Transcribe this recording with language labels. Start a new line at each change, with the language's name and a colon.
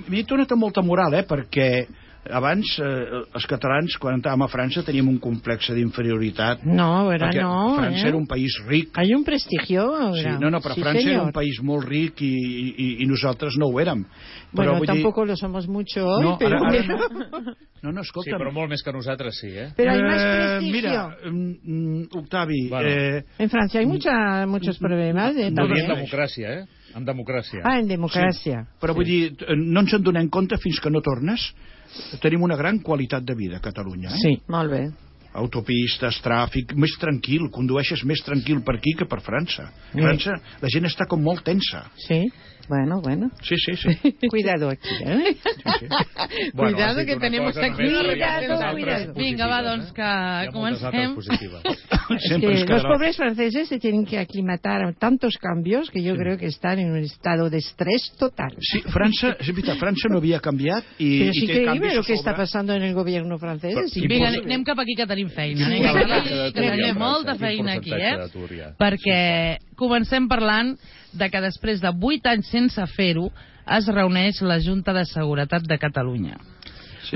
Catalan: M'he tornat amb molta moral, eh? Perquè abans els catalans, quan entràvem a França, teníem un complex d'inferioritat. No, era no. França era un país ric.
Spanish: Hay un prestigio,
Catalan: sí, no, però sí, França era un país molt ric i nosaltres no ho érem.
Spanish: Però, bueno, tampoco lo somos mucho hoy, no, pero...
Catalan: No, escolta'm. Sí, però molt més que nosaltres, sí, eh?
Spanish: Però hay más prestigio.
Catalan: Mira, Octavi... Bueno.
Spanish: En França hay muchos problemas.
Catalan: No hi ha democràcia, eh? En democràcia. Ah, en democràcia. Sí, però sí. Vull dir, no ens en donem compte fins que no tornes. Tenim una gran qualitat de vida a Catalunya, eh? Sí, molt bé. Autopistes, tràfic, més tranquil, condueixes més tranquil per aquí que per França. Sí. França, la gent està com molt tensa. Sí, bueno, bueno. Sí, sí, sí.
Spanish: Cuidado aquí, eh? Sí, sí.
Catalan: Bueno, cuidado que tenim aquí.
Spanish: Cuidado, cuidado.
Catalan: Vinga, va, doncs, que comencem.
Spanish: Sí, los pobres franceses se tienen que aclimatar a tantos cambios que yo creo que están en un estado de estrés total.
Catalan: Sí, França, sí, mira, França no havia canviat i té canvis a sobre. Però sí que hi ve el que està passant en el gobierno francès. Vinga, anem cap aquí que tenim feina. Tenim molta feina aquí, eh? Perquè comencem parlant de que després de 8 anys sense fer-ho es reuneix la Junta de Seguretat de Catalunya. Sí.